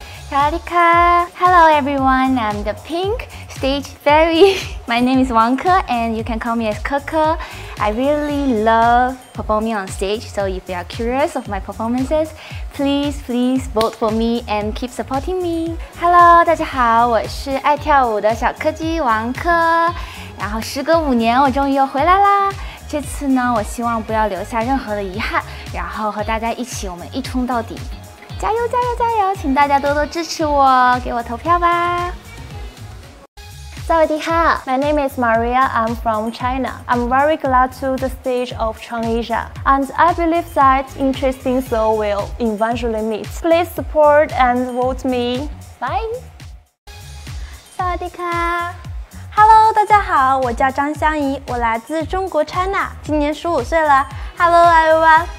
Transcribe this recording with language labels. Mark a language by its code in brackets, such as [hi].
[en] Sawadika! Hello everyone, I'm the pink stage fairy. My name is Wang Ke and you can call me as Ke Ke. I really love performing on stage, so if you are curious of my performances, please vote for me and keep supporting me. [zh] Hello, 大家好，我是爱跳舞的小柯基王珂，然后时隔五年，我终于又回来啦。这次呢，我希望不要留下任何的遗憾，然后和大家一起我们一冲到底。加油！请大家多多支持我，给我投票吧。 [en] Sawadika, my name is Maria. I'm from China. I'm very glad to the stage of Chuang Asia, and I believe that interesting soul will eventually meet. Please support and vote me. Bye. [th] Sawadika. [zh] Hello, 大家好，我叫张香怡，我来自中国 China， 今年15岁了。 [en] Hello, everyone.